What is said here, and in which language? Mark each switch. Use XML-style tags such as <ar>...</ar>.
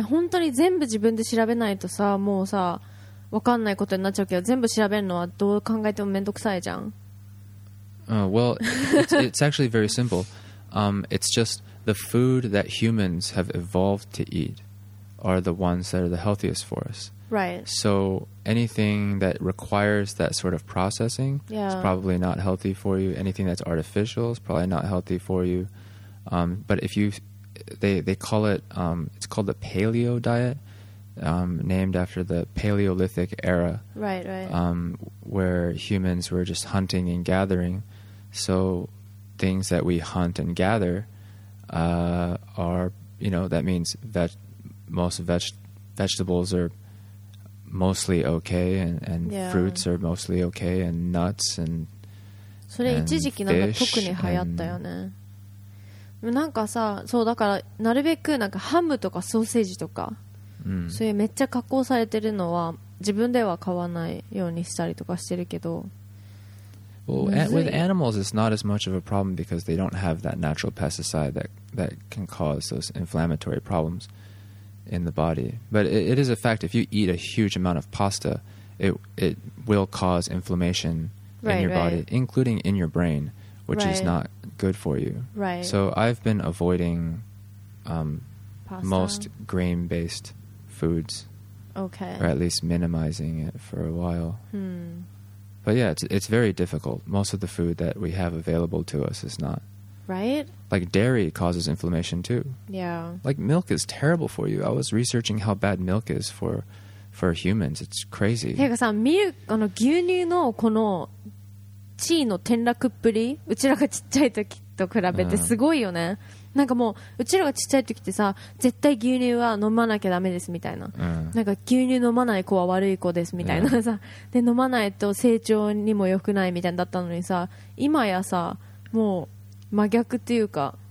<ja>本当に全部自分で調べないとさ、もうさ、わかんないことになっちゃうけど、全部調べるのはどう考えてもめんどくさいじゃん。</ja> <en>Well, it's actually very simple. It's just the food that humans have evolved to eat are the ones that are the healthiest for us. Right. So anything that requires that sort of processing yeah. is probably not healthy for you. Anything that's artificial is probably not healthy for you. But if you, they call it, it's called the paleo diet. Named after the Paleolithic era, right, right, where humans were just hunting and gathering. So, things that we hunt and gather are, you know, that means that most vegetables are mostly okay, and yeah. fruits are mostly okay, and nuts and</en> <ja>それ一時期なんか特に流行ったよね。なんかさ、そうだからなるべくなんかハムとかソーセージとか。そういうめっちゃ加工されてるのは自分では買わないようにしたりとかしてるけど、</ja> <en>well, with animals it's not as much of a problem because they don't have that natural pesticide that can cause those inflammatory problems in the body. But it is a fact, if you eat a huge amount of pasta, it will cause inflammation right, in your body, right. including in your brain, which right. is not good for you. Right. So I've been avoiding pasta. Most grain based foods, okay, or at least minimizing it for a while. Hmm. But yeah, it's very difficult. Most of the food that we have available to us is not right. Like dairy causes inflammation too. Yeah, like milk is terrible for you. I was researching how bad milk is for humans. It's crazy.</en> <ja>てかさ、ミルク、あの牛乳のこの地位の転落っぷり、うちらがちっちゃい時と比べてすごいよね。なんかもううちらがちっちゃい時ってさ、絶対牛乳は飲まなきゃダメですみたいな、なんか牛乳飲まない子は悪い子ですみたいなさ、で飲まないと成長にも良くないみたいなだったのにさ、今やさもう真逆っていうか、</ja>